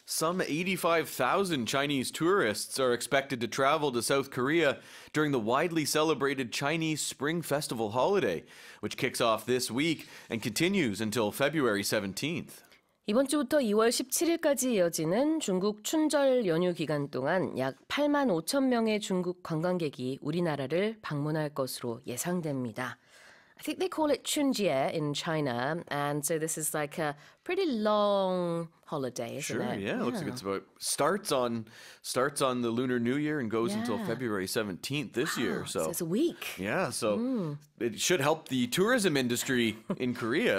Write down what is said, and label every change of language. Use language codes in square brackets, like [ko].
[en] Some 85,000 Chinese tourists are expected to travel to South Korea during the widely celebrated Chinese Spring Festival holiday, which kicks off this week and continues until February 17th. [ko] 이번 주부터 2월 17일까지 이어지는 중국 춘절 연휴 기간 동안 약 8만 5천 명의 중국 관광객이 우리나라를 방문할 것으로 예상됩니다. [en] I think they call it 춘절 in China, and so this is like a pretty long holiday, isn't sure, it? Sure, yeah. It looks like it's about starts on the Lunar New Year and goes until February 17th this year. So it's a week. Yeah, so it should help the tourism industry in Korea.